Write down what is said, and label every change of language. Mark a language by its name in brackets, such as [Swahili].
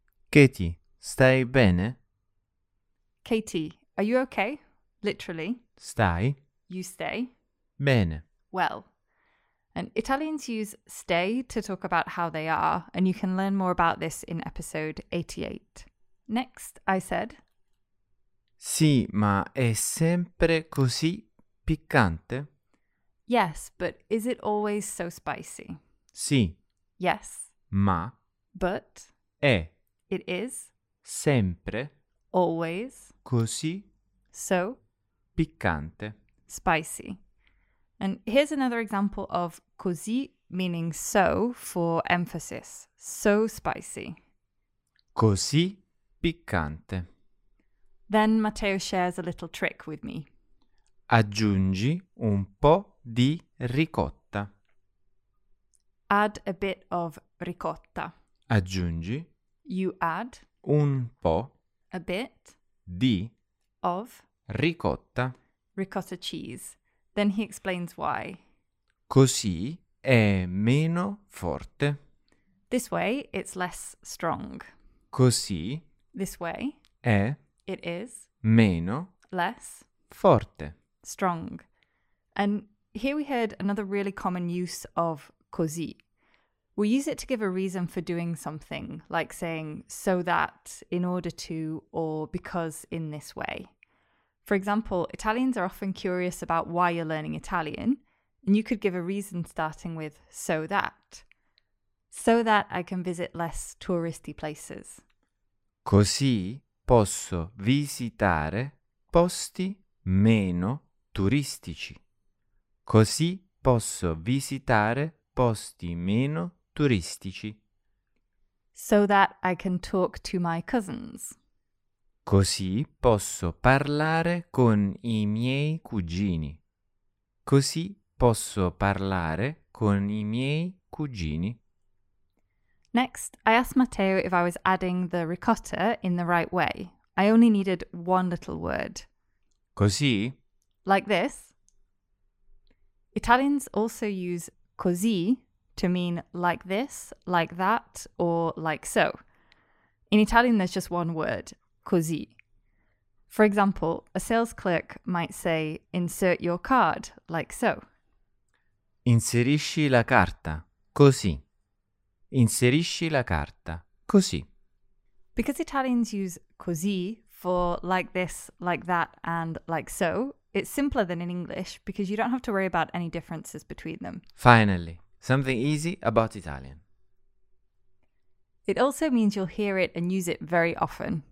[Italian] Katie, stai bene? [English] Katie, are you okay? Literally. [Italian] Stai. [English] You stay. [Italian] Bene. [English] Well. And Italians use stay to talk about how they are, and you can learn more about this in episode 88. Next, I said, [Italian] Sì, ma è sempre così piccante? [English] Yes, but is it always so spicy? [Italian] Sì. [English] Yes. [Italian] Ma. [English] But. [Italian] È. [English] It is. [Italian] Sempre. [English] Always. [Italian] Così. [English] So. [Italian] Piccante. [English] Spicy. And here's another example of così meaning so for emphasis. So spicy. [Italian] Così piccante. [English] Then Matteo shares a little trick with me. [Italian] Aggiungi un po' di ricotta. [English] Add a bit of ricotta. [Italian] Aggiungi. [English] You add. [Italian] Un po'. [English] A bit. [Italian] Di. [English] Of. [Italian] Ricotta. [English] Ricotta cheese. Then he explains why. [Italian] Così è meno forte. [English] This way, it's less strong. [Italian] Così. [English] This way. [Italian] È. [English] It is. [Italian] Meno. [English] Less. [Italian] Forte. [English] Strong. And here we heard another really common use of così. We use it to give a reason for doing something, like saying so that, in order to, or because in this way. For example, Italians are often curious about why you're learning Italian, and you could give a reason starting with so that. So that I can visit less touristy places. [Italian] Così posso visitare posti meno turistici. Così posso visitare posti meno turistici. [English] So that I can talk to my cousins. [Italian] Così posso parlare con i miei cugini. Così posso parlare con i miei cugini. [English] Next, I asked Matteo if I was adding the ricotta in the right way. I only needed one little word. [Italian] Così? [English] Like this. Italians also use così to mean like this, like that, or like so. In Italian, there's just one word, così. For example, a sales clerk might say, insert your card, like so. [Italian] Inserisci la carta, così. Inserisci la carta, così. [English] Because Italians use così for like this, like that, and like so, it's simpler than in English because you don't have to worry about any differences between them. Finally, something easy about Italian. It also means you'll hear it and use it very often.